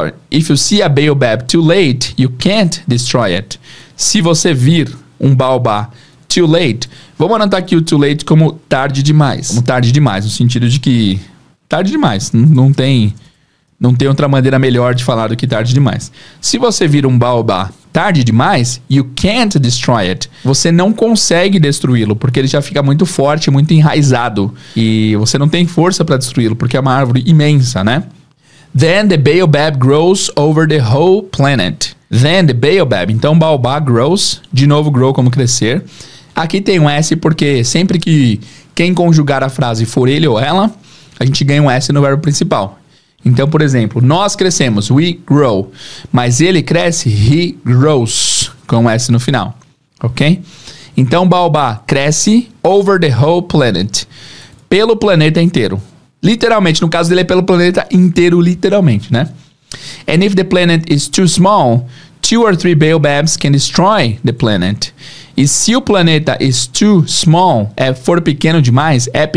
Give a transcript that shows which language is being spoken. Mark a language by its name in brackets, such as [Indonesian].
[English] If you see a baobab too late, you can't destroy it. [Portuguese] Se você vir um baobá [English] too late, [Portuguese] vamos anotar aqui o too late como tarde demais. Como tarde demais, no sentido de que tarde demais, não tem outra maneira melhor de falar do que tarde demais. Se você vir um baobá tarde demais, [English] you can't destroy it. [Portuguese] Você não consegue destruí-lo, porque ele já fica muito forte, muito enraizado. E você não tem força para destruí-lo, porque é uma árvore imensa, né? [English] Then the baobab grows over the whole planet. Then the baobab. [Portuguese] Então, baobá grows. De novo, grow como crescer. Aqui tem um S, porque sempre que quem conjugar a frase for ele ou ela, a gente ganha um S no verbo principal. Então, por exemplo, nós crescemos, [English] we grow. [Portuguese] Mas ele cresce, [English] he grows, [Portuguese] com um S no final. Ok? Então, baobá cresce [English] over the whole planet. [Portuguese] Pelo planeta inteiro. Literalmente, no caso dele é pelo planeta inteiro, literalmente, né? [English] And if the planet is too small, two or three baobabs can destroy the planet. [Portuguese] E se o planeta [English] is too small, [Portuguese] é pequeno demais...